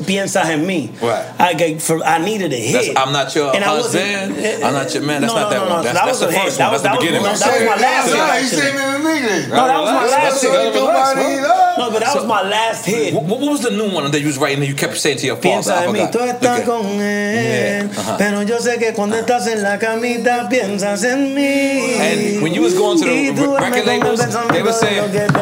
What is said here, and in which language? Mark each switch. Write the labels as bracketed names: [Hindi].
[Spanish] Piensa en Mí. [English] Right. I needed a hit. That's, I'm not your and husband. I'm not your man. That's not that one. That's the first one. That's the beginning. That was my last hit. What was the new one that you was writing that you kept saying to your father? [Spanish] Piensa en mí, tú estás con él, pero yo sé que cuando estás en la camita piensas en mí. [English] And when you was going to the record labels, they were saying,